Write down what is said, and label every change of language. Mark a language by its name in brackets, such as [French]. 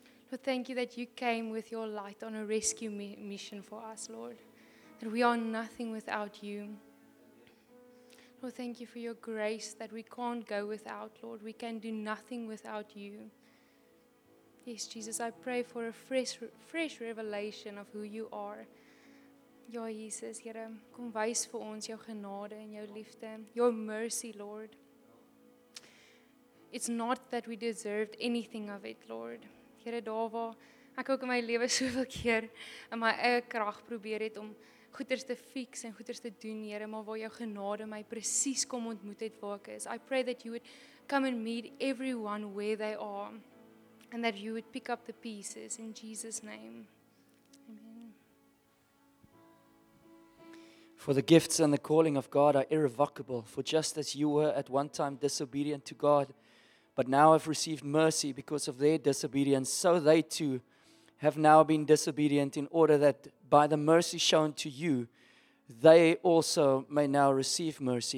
[English] Lord, thank you that you came with your light on a rescue mission for us, Lord, that we are nothing without you. Lord, thank you for your grace that we can't go without, Lord. We can do nothing without you. Yes, Jesus, I pray for a fresh revelation of who you are. [Afrikaans] Ja, Jesus, Here, kom wijs voor ons jou genade en jou liefde. [English] Your mercy, Lord. It's not that we deserved anything of it, Lord. [Afrikaans] Here, daar waar ek ook in my leven soveel keer in my eie kracht probeer het om goeders te fix en goeders te doen, Here, maar waar jou genade my precies kom ontmoet het waar ek is. [English] I pray that you would come and meet everyone where they are. And that you would pick up the pieces in Jesus' name. Amen. For the gifts and the calling of God are irrevocable. For just as you were at one time disobedient to God, but now have received mercy because of their disobedience, so they too have now been disobedient in order that by the mercy shown to you, they also may now receive mercy.